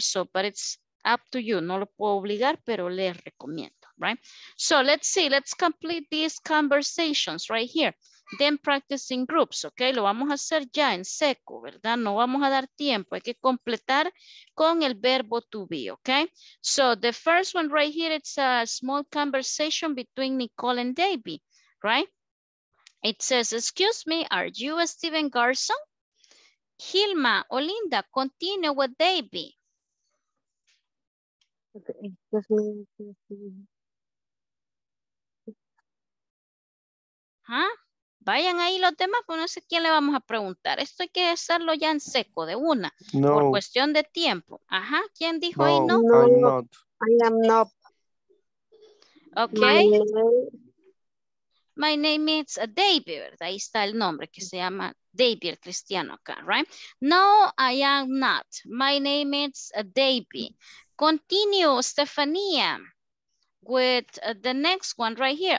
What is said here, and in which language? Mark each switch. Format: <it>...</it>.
<en>So, but it's up to you.</en> <es>No lo puedo obligar, pero le recomiendo,</es> <en>right? So, let's see. Let's complete these conversations right here. Then practice in groups, ¿ok?</en> <es>Lo vamos a hacer ya en seco, ¿verdad? No vamos a dar tiempo. Hay que completar con el verbo to be, ¿ok?</es> <en>So, the first one right here, it's a small conversation between Nicole and David, right? It says, excuse me, are you Steven Garson? Hilma, Olinda, continue with David. Okay. Huh?</en> <es>Vayan ahí los demás, pues no sé quién le vamos a preguntar. Esto hay que hacerlo ya en seco, de una. No. Por cuestión de tiempo. Ajá, ¿quién dijo ahí no?</es> <en>No, I'm not. I am not. Ok. My name is David,</en> <es>¿verdad? Ahí está el nombre que se llama David, el cristiano acá, right?</es> <en>No, I am not. My name is David. Continue, Stefania, with the next one right here.</en>